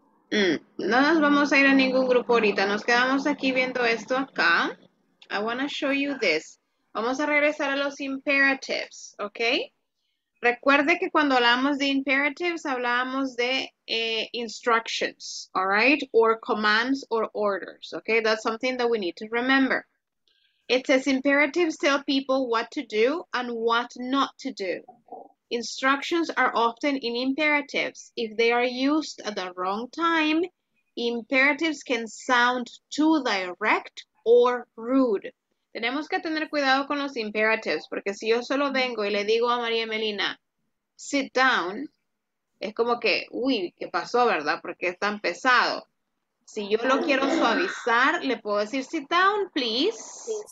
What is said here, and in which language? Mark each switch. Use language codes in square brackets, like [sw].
[es] No nos vamos a ir a ningún grupo ahorita. Nos quedamos aquí viendo esto acá. [en] I want to show you this. [es] Vamos a regresar a los imperatives, okay? Recuerde que cuando hablamos de imperatives, hablamos de instructions, [en] all right? Or commands or orders, okay? That's something that we need to remember. It says imperatives tell people what to do and what not to do. Instructions are often in imperatives. If they are used at the wrong time, imperatives can sound too direct or rude. [es] Tenemos que tener cuidado con los imperatives, porque si yo solo vengo y le digo a María Melina, [en] sit down, [es] es como que, uy, ¿qué pasó, verdad? Porque es tan pesado. Si yo lo quiero suavizar, le puedo decir, [en] sit down, please.